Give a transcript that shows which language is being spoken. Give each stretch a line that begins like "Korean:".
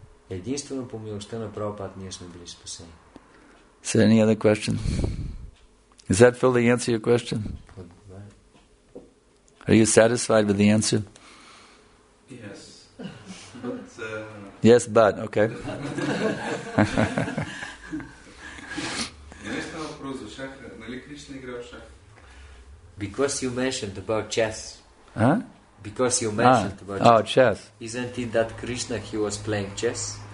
Bulgarian: Единствено по милостта на Прабхупада ние сме били спасени.
English: Is there any other question? Is that fully answer your question? Are you satisfied with the answer? Yes. Yes, but, okay.
Bulgarian: Не става въпрос за шах, нали Кришна играе в шах?
English: Because you mentioned about chess. Huh? Because you mentioned about chess. Isn't it that Krishna, he was playing chess?